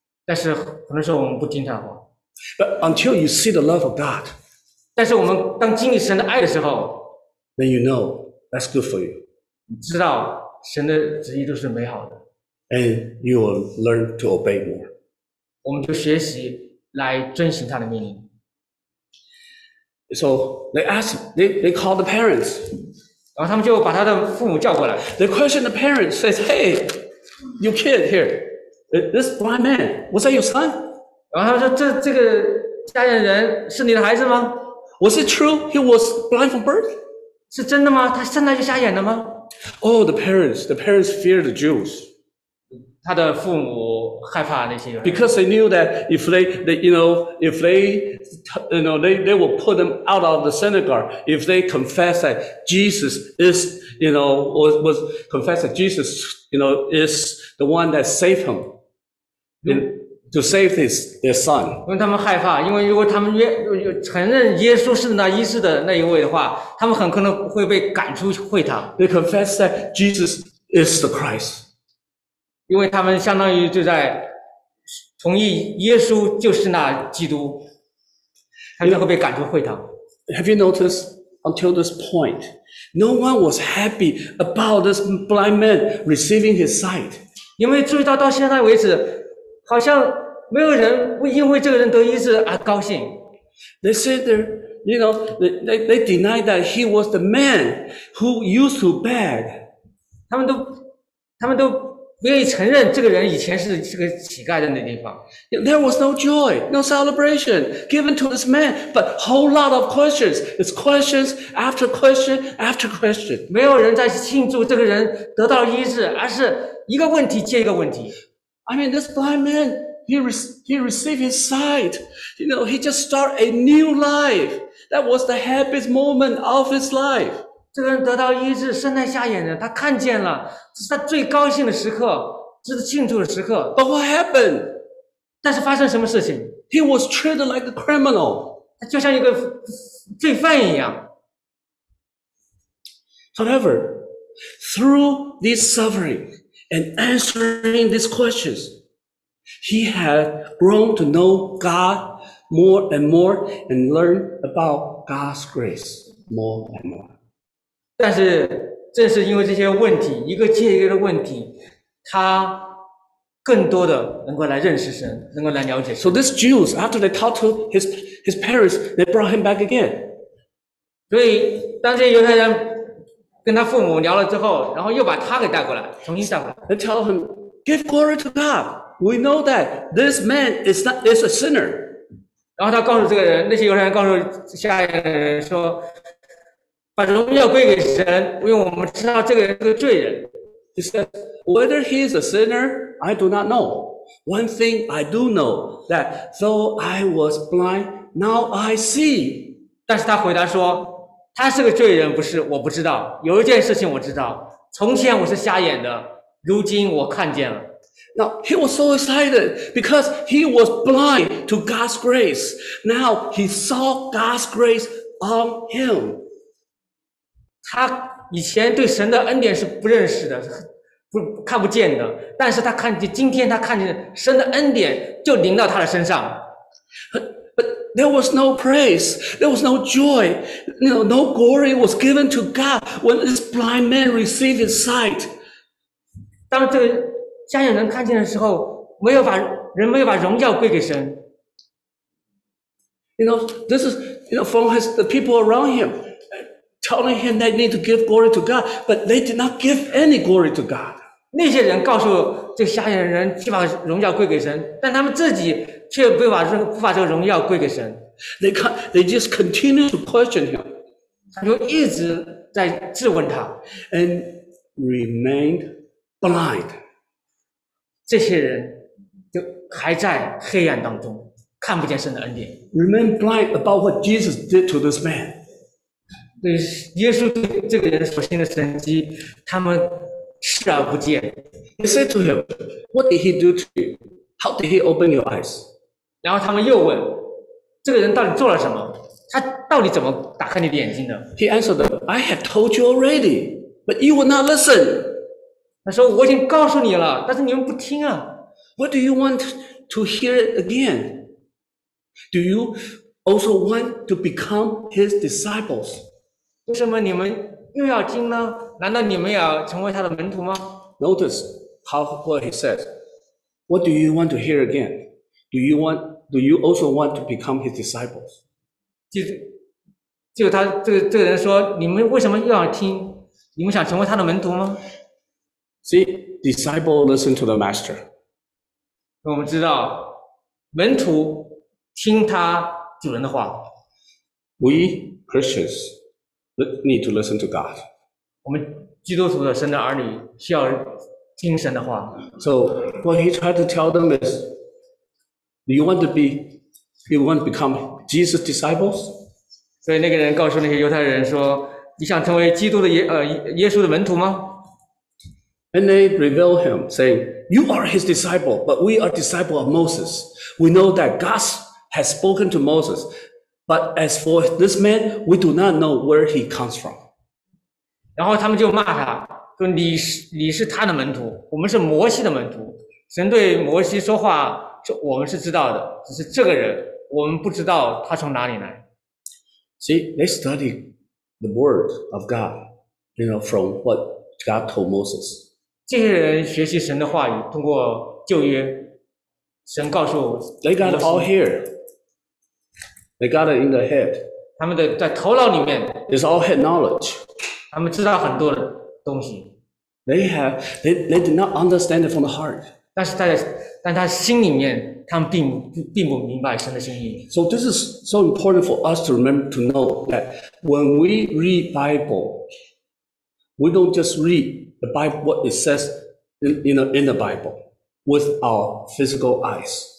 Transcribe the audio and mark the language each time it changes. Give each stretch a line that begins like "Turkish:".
Chinese: 但是很多时候我们不听他的话。
English: But until you see the love of God,
Chinese: 但是我们当经历神的爱的时候
English: ，then you know that's good for you.
Chinese: 你知道神的旨意都是美好的。
English: And you will learn to obey more.
Chinese: 我们就学习来遵循他的命令。
English: So they ask, they call the parents.
Chinese: 然后他们就把他的父母叫过来。
English: They question the parents, says, hey, your kid here, this blind man, was that your son?
Chinese: 然后他们说这个家里的人是你的孩子吗？
English: Was it true he was blind from birth?
Chinese: 是真的吗？他生来就瞎眼的吗？
English: Oh, the parents feared the Jews.
Chinese: 他的父母害怕那些人。
English: Because they knew that if they will put them out of the synagogue if they confess that Jesus is, you know, was confess that Jesus, you know, is the one that saved him, to save their son.
Chinese: 因为他们害怕，因为如果他们承认耶稣是那医治的那一位的话，他们很可能会被赶出会堂。
English: They confess that Jesus is the Christ.
Chinese: 因为他们相当于就在同意耶稣就是那基督。他会被赶出会堂。
English: Have you noticed until this point, no one was happy about this blind man receiving his sight?
Chinese: 有没有注意到现在为止，好像没有人因为这个人得医治而高兴。
English: They said there, you know, they denied that he was the man who used to beg.
Chinese: 他们都愿意承认这个人以前是这个乞丐在那地方。
English: There was no joy, no celebration given to this man, but whole lot of questions. It's questions after question after question.
Chinese: 没有人在庆祝这个人得到医治，而是一个问题接一个问题。
English: I mean, this blind man, he received his sight. You know, he just started a new life. That was the happiest moment of his life.
Chinese: 这个人得到医治，身在瞎眼的，他看见了，这是他最高兴的时刻，这是庆祝的时刻。
English: But what happened?
Chinese: 但是发生什么事情？
English: He was treated like a criminal.
Chinese: 他就像一个罪犯一样。
English: However, through this suffering and answering these questions, he had grown to know God more and more and learn about God's grace more and more.
Chinese: 但是正是因为这些问题，一个接一个的问题，他更多的能够来认识神，能够来了解神。
English: So this Jews, after they talked to his parents, they brought him back again.
Chinese: 所以当这些犹太人跟他父母聊了之后，然后又把他给带过来，重新带回来。
English: They tell him, "Give glory to God. We know that this man is a sinner."
Chinese: 然后他告诉这个人，那些犹太人告诉下一个人说。把荣耀归给神，因为我们知道这个人是个罪人。
English: He said, "Whether he is a sinner, I do not know. One thing I do know that though I was blind, now I see."
Chinese: 但是他回答说，他是个罪人，不是，我不知道。有一件事情我知道，从前我是瞎眼的，如今我看见了。
English: Now, he was so excited because he was blind to God's grace. Now, he saw God's grace on him.
Chinese: 他以前对神的恩典是不认识的，不看不见的。但是他看见，今天他看见神的恩典就临到他的身上。
English: But there was no praise, there was no joy, no glory was given to God when this blind man received his sight.
Chinese: 当这个瞎眼人看见的时候，没有把荣耀归给神。
English: You know, this is from the people around him. Telling him they need to give glory to God, but they did not give any glory to God.
Chinese: 那些人告诉这瞎眼人去把荣耀归给神，但他们自己却不把这个荣耀归给神。
English: They just continue to question him.
Chinese: 他就一直在质问他。
English: And remained blind.
Chinese: 这些人就还在黑暗当中，看不见神的恩典。
English: Remain blind about what Jesus did to this man.
Chinese: 对耶稣对这个人所行的神迹，他们视而不见。
English: He said to him, "What did he do to you? How did he open your eyes?"
Chinese: 然后他们又问，这个人到底做了什么？他到底怎么打开你的眼睛的
English: ？He answered, "I have told you already, but you would not listen."
Chinese: 他说我已经告诉你了，但是你们不听啊。
English: What do you want to hear again? Do you also want to become his disciples?
Chinese: 为什么你们又要听呢？难道你们要成为他的门徒吗
English: ？Notice how what he says. What do you want to hear again? Do you also want to become his disciples?
Chinese: 就他这个人说，你们为什么又要听？你们想成为他的门徒吗
English: ？See, disciple listen to the master.
Chinese: 我们知道，门徒听他主人的话。
English: We Christians. Need to listen to God.
Chinese: 我们基督徒的神的儿女需要听神的话。
English: So what he tried to tell them is, you want to become Jesus' disciples?
Chinese: 所以那个人告诉那些犹太人说，你想成为基督的耶稣的门徒吗
English: ？And they reveal him, saying, "You are his disciple, but we are disciple of Moses. We know that God has spoken to Moses." But as for this man, we do not know where he comes from.
Chinese: 然后他们就骂他，说你是他的门徒，我们是摩西的门徒。神对摩西说话，我们是知道的，只是这个人，我们不知道他从哪里来。
English: See, they study the word of God, from what God told Moses.
Chinese: 这些人学习神的话语，通过旧约，神告诉。
English: They got it all here. They got it in their head.
Chinese: 他们的在头脑里面
English: It's all head knowledge.
Chinese: 他们知道很多的东西。
English: They did not understand it from the heart.
Chinese: 但他心里面，他们并不明白神的心意。
English: So this is so important for us to remember to know that when we read Bible, we don't just read the Bible what it says in the Bible with our physical eyes.